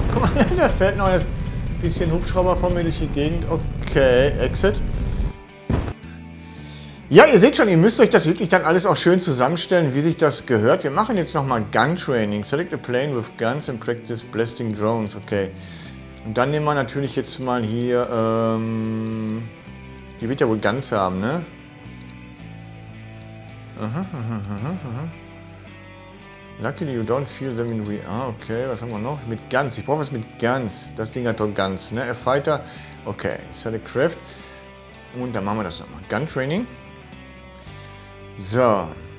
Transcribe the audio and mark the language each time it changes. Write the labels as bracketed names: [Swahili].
[German] Guck mal, da fällt noch ein bisschen Hubschrauber von mir durch die Gegend. Okay, Exit. Ja, ihr seht schon, ihr müsst euch das wirklich dann alles auch schön zusammenstellen, wie sich das gehört. Wir machen jetzt nochmal Gun Training. [English] Select a plane with guns and practice blasting drones. Okay. [German] Und dann nehmen wir natürlich jetzt mal hier, die wird ja wohl Guns haben, ne? [English] Luckily you don't feel them in VR. [German] Okay, was haben wir noch? Mit Guns. Ich brauche was mit Guns. Das Ding hat doch Guns, ne? A Fighter. Okay, Select Craft. Und dann machen wir das nochmal. Gun Training. So.